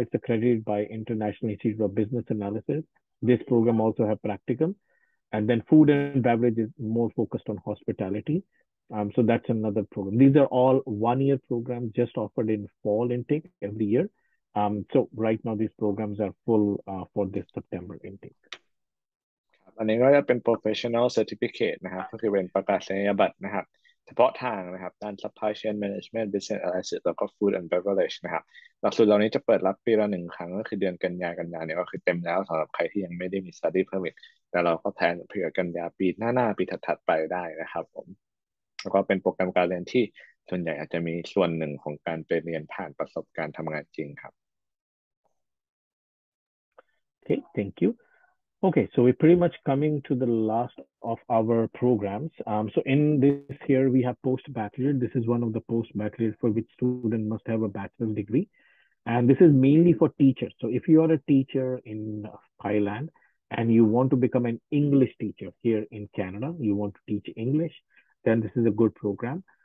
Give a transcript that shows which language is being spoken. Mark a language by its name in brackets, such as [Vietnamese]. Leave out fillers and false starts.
[English] It's accredited by International Institute of Business Analysis. This program also has practicum. And then food and beverage is more focused on hospitality. So that's another program. These are all 1 year programs just offered in fall intake every year. So right now these programs are full for this September intake. [Thai] อันนี้ก็จะเป็น professional certificate นะครับก็คือเป็นประกาศนียบัตรนะครับเฉพาะทางนะครับด้าน supply chain management business analysis แล้วก็ food and beverage นะครับหลักสูตรเหล่านี้จะเปิดรับปีละ1ครั้งก็คือเดือนกันยาเนี่ยก็คือเต็มแล้วสำหรับใครที่ยังไม่ได้มี study permit แต่เราก็แพลนเผื่อกันยาปีหน้าปีถัดไปได้นะครับผม แล้วก็เป็นโปรแกรมการเรียนที่ส่วนใหญ่อาจจะมีส่วนหนึ่งของการไปเรียนผ่านประสบการณ์ทำงานจริงครับ [English] Okay, thank you. Okay, so we're pretty much coming to the last of our programs. So in this here, we have post-baccalaureate. This is one of the post-baccalaureate for which student must have a bachelor's degree. And this is mainly for teachers. So if you are a teacher in Thailand and you want to become an English teacher here in Canada, you want to teach English, then this is a good program.